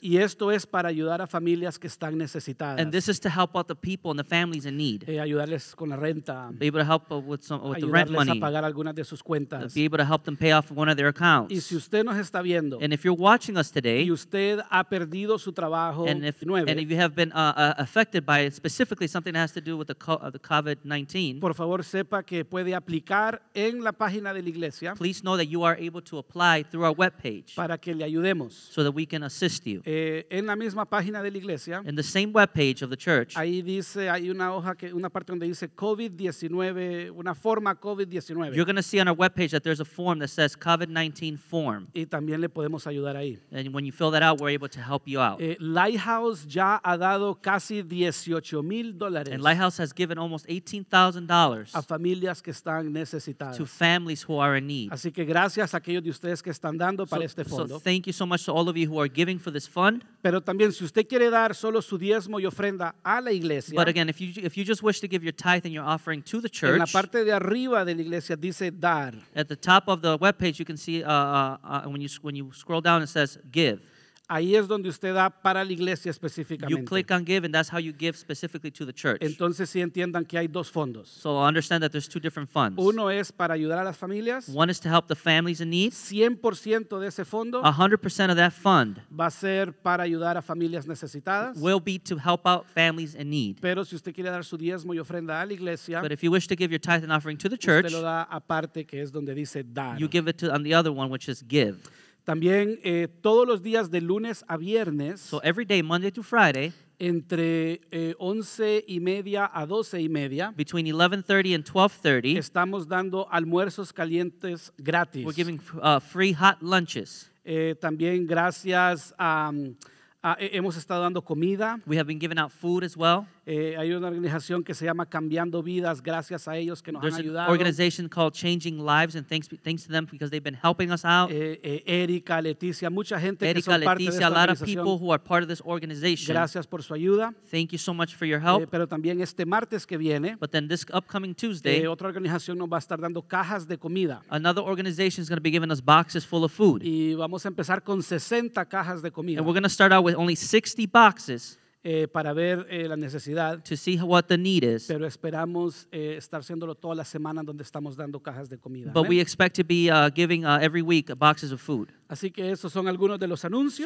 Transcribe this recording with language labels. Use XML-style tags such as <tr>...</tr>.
<es>Y esto es para ayudar a familias que están necesitadas.</es> <en>And this is to help out the people and the families in need.</en> <es>Ayudarles con la renta.</es> <en>Be able to help with the rent money.</en> <es>Ayudarles a pagar algunas de sus cuentas.</es> <en>Be able to help them pay off one of their accounts.</en> <es>Y si usted nos está viendo.</es> <en>And if you're watching us today.</en> <es>Y usted ha perdido su trabajo.</es> <en>And if you have been affected by it, specifically something that has to do with the COVID. 19,</en> <es>por favor, sepa que puede aplicar en la página de la iglesia.</es> <en>Please know that you are able to apply through our webpage.</en> <es>Para que le ayudemos.</es> <en>So that we can assist you.</en> <es>En la misma página de la iglesia.</es> <en>In the same webpage of the church.</en> <es>Ahí dice, hay una hoja, que una parte donde dice COVID-19, una forma COVID-19.</es> <en>You're going to see on our webpage that there's a form that says COVID-19 form.</en> <es>Y también le podemos ayudar ahí.</es> <en>And when you fill that out, we're able to help you out.</en> <es>Lighthouse ya ha dado casi $18,000.</es> <en>And Lighthouse has given almost $18,000</en> <es>a familias que están necesitadas.</es> <en>To families who are in need.</en> <es>Así que gracias a aquellos de ustedes que están dando para este fondo.</es> <en>So thank you so much to all of you who are giving for this fund.</en> <es>Pero también si usted quiere dar solo su diezmo y ofrenda a la iglesia.</es> <en>But again, if you just wish to give your tithe and your offering to the church.</en> <es>En la parte de arriba de la iglesia dice dar.</es> <en>At the top of the webpage you can see when you scroll down it says give.</en> <es>Ahí es donde usted da para la iglesia específicamente.</es> <en>You click on give, and that's how you give specifically to the church.</en> <es>Entonces, si entiendan que hay dos fondos.</es> <en>So understand that there's two different funds.</en> <es>Uno es para ayudar a las familias.</es> <en>One is to help the families in need.</en> <es>100% de ese fondo.</es> <en>100% of that fund.</en> <es>Va a ser para ayudar a familias necesitadas.</es> <en>Will be to help out families in need.</en> <es>Pero si usted quiere dar su diezmo y ofrenda a la iglesia.</es> <en>But if you wish to give your tithe and offering to the church.</en> <es>Usted lo da aparte, que es donde dice dar.</es> <en>You give it to on the other one, which is give.</en> <es>También todos los días de lunes a viernes.</es> <en>So every day, Monday to Friday.</en> <es>Entre 11 y media a 12 y media.</es> <en>Between 11:30 and 12:30.</en> <es>Estamos dando almuerzos calientes gratis.</es> <en>We're giving free hot lunches.</en> <es>También gracias a... hemos estado dando comida.</es> <en>We have been giving out food as well.</en> <es>Hay una organización que se llama Cambiando Vidas, gracias a ellos que nos</es> <en>There's</en> <es>han ayudado.</es> <en>There's an organization called Changing Lives, and thanks to them because they've been helping us out.</en> <es>Erika, Leticia, mucha gente</es> <en>Erika,</en> <es>que son</es> <en>Leticia,</en> <es>parte de esta organización.</es> <en>Erika, Leticia, a lot of people who are part of this organization.</en> <es>Gracias por su ayuda.</es> <en>Thank you so much for your help.</en> <es>Pero también este martes que viene.</es> <en>But then this upcoming Tuesday.</en> <es>Otra organización nos va a estar dando cajas de comida.</es> <en>Another organization is going to be giving us boxes full of food.</en> <es>Y vamos a empezar con 60 cajas de comida.</es> <en>And we're going to start out with only 60 boxes.</en> <es>Para ver la necesidad.</es> <en>To see what the need is.</en> <es>Pero esperamos estar haciéndolo toda la semana donde estamos dando cajas de comida.</es> <en>But we expect to be giving every week boxes of food.</en> <es>Así que esos son algunos de los anuncios.</es>